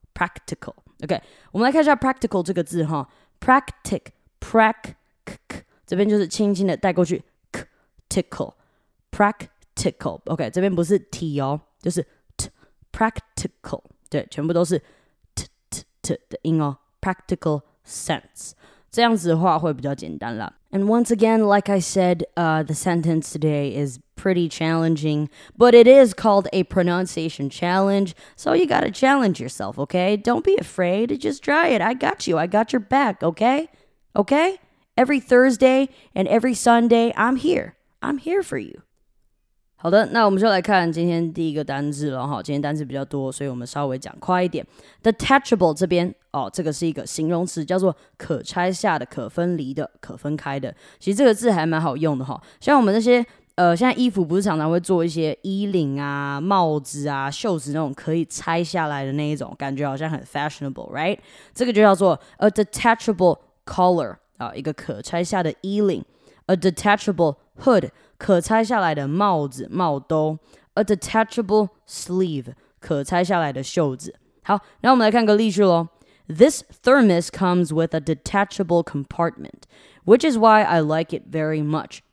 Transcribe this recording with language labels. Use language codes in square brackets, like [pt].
[en] Practical, OK? [zh] 我们来看一下 [en] practical [zh] 这个字哈 [en] ，practic, prac, k, 这边就是轻轻的带过去 ，k, tickle, practical, OK? [zh] 这边不是 T 哦，就是 t, practical, 对，全部都是 t 的音哦 ，practical sense。这样子的话会比较简单啦。 [en] And once again, like I said, the sentence today is pretty challenging, but it is called a pronunciation challenge, so you gotta challenge yourself, okay? Don't be afraid, just try it. I got you, I got your back, okay? Okay? Every Thursday and every Sunday, I'm here for you. [zh] 好的，那我们就来看今天第一个单字了哈。今天单字比较多，所以我们稍微讲快一点。 Detachable 这边哦，这个是一个形容词，叫做可拆下的、可分离的、可分开的。其实这个字还蛮好用的哈。像我们那些现在衣服不是常常会做一些衣领啊、帽子啊、袖子那种可以拆下来的那一种，感觉好像很 fashionable, right? 这个就叫做 [en] a detachable collar [zh] 啊，一个可拆下的衣领 ， [en] a detachable hood。 [zh] 可拆下来的帽子、帽兜 ， [en] a detachable sleeve， [zh] 可拆下来的袖子。好，那我们来看个例句喽。 [en] This thermos comes with a detachable compartment, which is why I like it very much.